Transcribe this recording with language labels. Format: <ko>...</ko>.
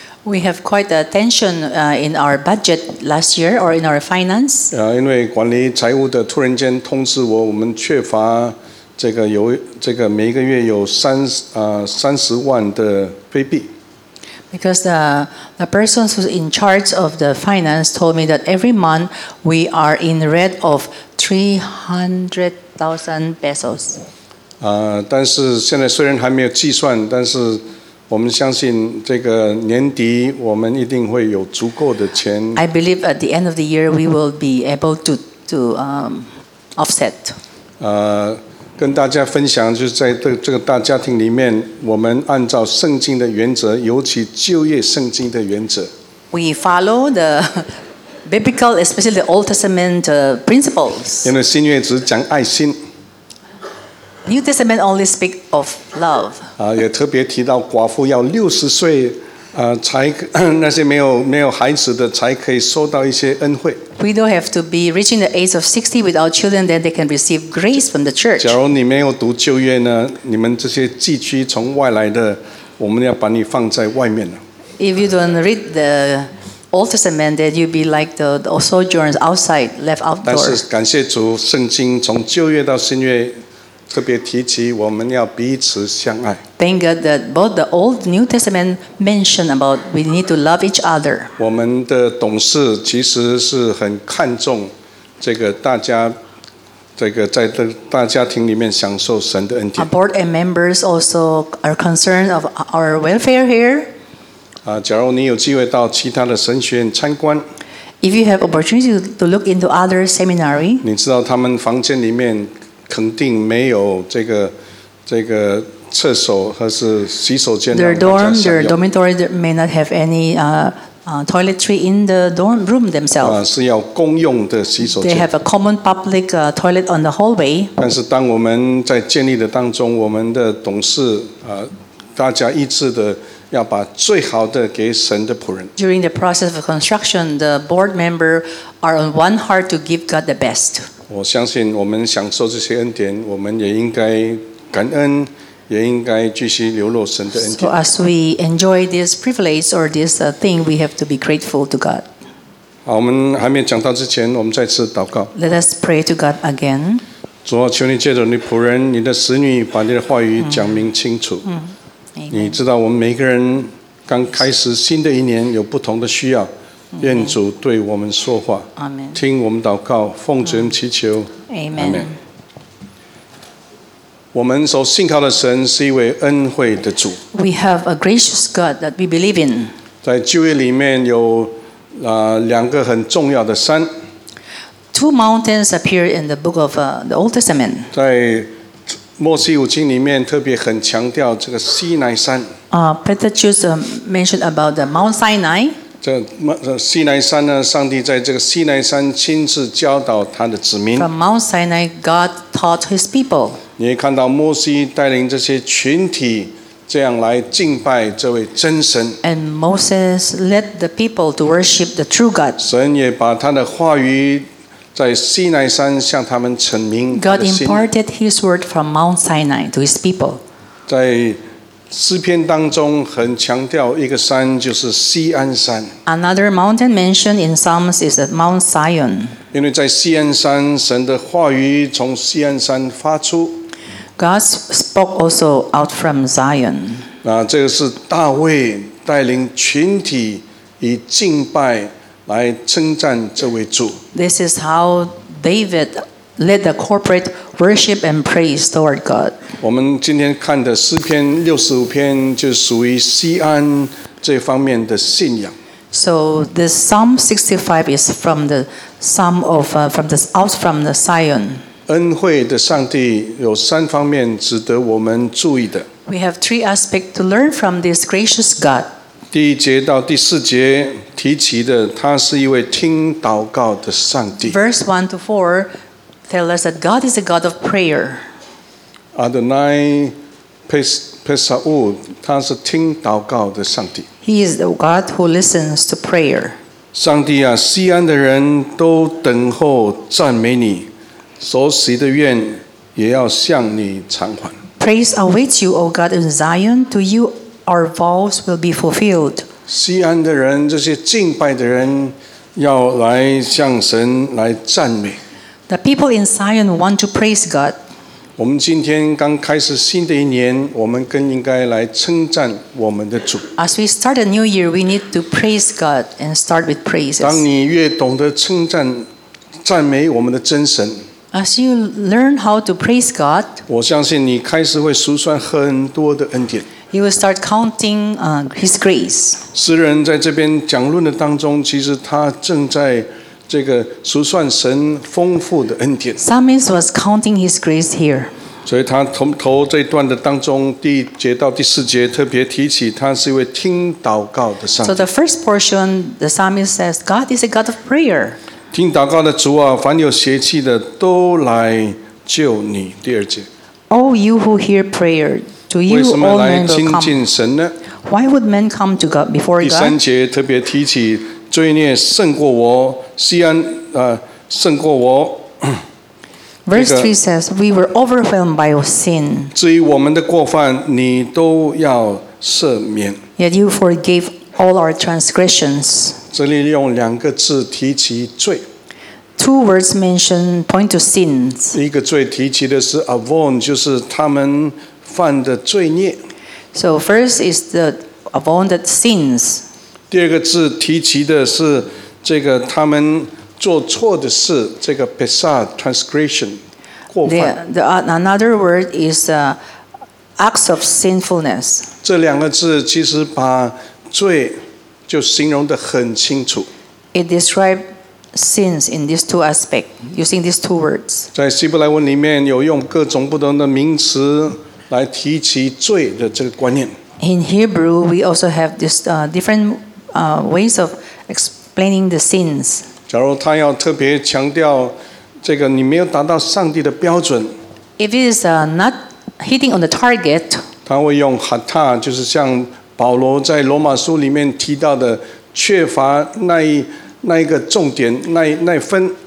<en>We have quite a tension in our budget last year, or in our finance.</en> <zh>因为管理财务的突然间通知我们缺乏这个每个月有三十万的非币。</zh> <en>Because the person who's in charge of the finance told me that every month we are in red of 300,000 pesos.</en> <zh>但是现在虽然还没有计算，但是我们相信这个年底我们一定会有足够的钱。</zh> <en>I believe at the end of the year we will be able to offset.</en> <zh>跟大家分享，就是在这个大家庭里面，我们按照圣经的原则，尤其旧约圣经的原则。</zh> <en>We follow the biblical, especially the Old Testament principles.</en> <zh>因为新约只讲爱心。</zh> <en>New Testament only speak of love.</en> <zh>也特别提到寡妇要60岁，才那些没有孩子的才可以收到一些恩惠。</zh> <en>We don't have to be reaching the age of 60 without children, then they can receive grace from the church.</en> <zh>假如你没有读旧约呢，你们这些寄居从外来的，我们要把你放在外面了。</zh> <en>If you don't read the Old Testament, then you'll be like the sojourners outside, left outdoors.</en> <zh>但是感谢主，圣经从旧约到新约。特别提起我们要彼此相爱。</zh> <en>Thank God that both the Old and New Testament mention about we need to love each other.</en> <zh>我们的董事其实是很看重这个大家，这个在这大家庭里面享受神的恩典。</zh> <en>Our board and members also are concerned of our welfare here.</en> <zh>假如你有机会到其他的神学院参观。</zh> <en>If you have opportunity to look into other seminary.</en> <zh>你知道他们房间里面。肯定没有这个厕所或是洗手间。</zh> <en>Their dorm, their dormitory may not have any toiletry in the dorm room themselves.</en> <zh>是要公用的洗手间。</zh> <en>They have a common public toilet on the hallway.</en> <zh>但是当我们在建立的当中，我们的董事大家一致的要把最好的给神的仆人。</zh> <en>During the process of construction, the board member are on one heart to give God the best.</en> <zh>我相信我们享受这些恩典，我们也应该感恩，也应该继续流露神的恩典。</zh> <en>So as we enjoy this privilege or this thing, we have to be grateful to God.</en> <zh>好，我们还没讲到之前，我们再次祷告。</zh> <en>Let us pray to God again.</en> <zh>主啊，求你借着你仆人、你的使女，把你的话语讲明清楚。你知道我们每个人刚开始新的一年有不同的需要。愿主对我们说话，听我们祷告，奉主名祈求，阿门。我们所信靠的神是一位恩惠的主。</zh> <en>We have a gracious God that we believe in.</en> <zh>在旧约里面有两个很重要的山。</zh> <en>Two mountains appear in the book of the Old Testament.</en> <zh>在摩西五经里面特别很强调这个西乃山。</zh> <en>Petrus mentioned about the Mount Sinai.</en> <zh>西乃山呢，上帝在这个西乃山亲自教导他的子民。</zh> <en>From Mount Sinai, God taught His people.</en> <zh>你看到摩西带领这些群体这样来敬拜这位真神。</zh> <en>And Moses led the people to worship the true God.</en> <zh>神也把他的话语在西乃山向他们陈明。</zh> <en>God imparted His word from Mount Sinai to His people.</en> <zh>在诗篇当中很强调一个山，就是锡安山。</zh> <en>Another mountain mentioned in Psalms is at Mount Zion.</en> <zh>因为在锡安山，神的话语从锡安山发出。</zh> <en>God spoke also out from Zion.</en> <zh>这个是大卫带领群体以敬拜来称赞这位主。</zh> <en>This is how David led the corporate worship and praise toward God.</en> <zh>我们今天看的诗篇65篇就属于锡安这方面的信仰。</zh> <en>So the Psalm 65 is from the Psalm of from the out from the Zion.</en> <zh>恩惠的上帝有三方面值得我们注意的。</zh> <en>We have three aspects to learn from this gracious God.</en> <zh>第一节到第四节提起的，他是一位听祷告的上帝。</zh> <en>Verse 1-4. Tell us that God is a God of prayer.</en> <zh>Adonai Pesau, 他是听祷告的上帝。</zh> <en>He is the God who listens to prayer.</en> <zh>上帝啊，锡安的人都等候赞美你，所许的愿也要向你偿还。</zh> <en>Praise awaits you, O God in Zion. To you, our vows will be fulfilled.</en> <zh>锡安的人，这些敬拜的人，要来向神来赞美。</zh> <en>The people in Zion want to praise God.</en> <zh>我们今天刚开始新的一年，我们更应该来称赞我们的主。</zh> <en>As we start a new year, we need to praise God and start with praises.</en> <zh>当你越懂得称赞、赞美我们的真神。</zh> <en>As you learn how to praise God,</en> <zh>我相信你开始会数算很多的恩典。</zh> <en>You will start counting His grace.</en> <zh>诗人在这边讲论的当中，其实他正在这个数算神丰富的恩典。</zh> <en>Psalmist was counting His grace here.</en> <zh>所以他头这段的当中，第一节到第四节特别提起，他是一位听祷告的上帝。</zh> <en>So the first portion, the psalmist says, God is a God of prayer.</en> <zh>听祷告的主啊，凡有邪气的都来救你。第二节。</zh> <en>Oh, you who hear prayer, do you all men come?</en> <zh>为什么来亲近神呢</zh> <en>？Why would men come to God before God?</en> <zh>第三节特别提起罪孽胜过我，西安胜过我。</zh> <en>Verse 3 says, "We were overwhelmed by sin."</en> <zh>至于我们的过犯，你都要赦免。</zh> <en>Yet you forgave all our transgressions.</en> <zh>这里用两个字提起罪。</zh> <en>Two words mentioned point to sins.</en> <zh>一个罪提起的是 avon， 就是他们犯的罪孽。</zh> <en>So first is the avon that sins.</en> <zh>第二个字提起的是这个他们做错的事，这个 pesah</zh> <en>transgression</en> <zh>过犯。</zh> <en>Another word is acts of sinfulness.</en> <zh>这两个字其实把罪就形容得很清楚。</zh> <en>It describes sins in these two aspects using these two words.</en> <zh>在希伯来文里面有用各种不同的名词来提起罪的这个观念。</zh> <en>In Hebrew, we also have this different ways of explaining the sins.</en> <zh>假如他要特别强调这个你没有达到上帝的标准。</zh> <en>If it is not hitting on the target,</en> <zh>他会用 hata， 就是像保罗在罗马书里面提到的缺乏那一个重点那一分。</zh>